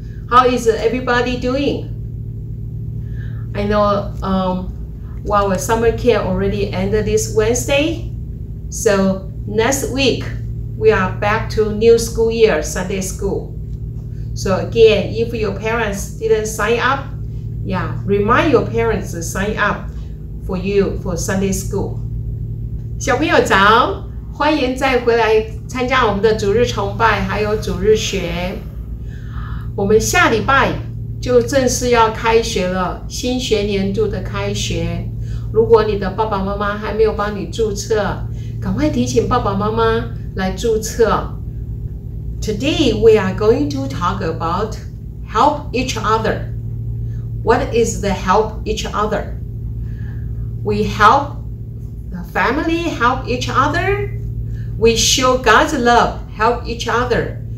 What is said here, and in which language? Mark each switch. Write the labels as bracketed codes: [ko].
[en] How is everybody doing? I know our summer camp already ended this Wednesday, so next week we are back to new school year, Sunday school. So again, if your parents didn't sign up, yeah, remind your parents to sign up for you for Sunday school. [zh] 小朋友早。欢迎再回来参加我们的主日崇拜，还有主日学。我们下礼拜就正式要开学了，新学年度的开学。如果你的爸爸妈妈还没有帮你注册，赶快提醒爸爸妈妈来注册。 [en] Today we are going to talk about help each other. What is the help each other? We help the family, help each other. We show God's love, help each other.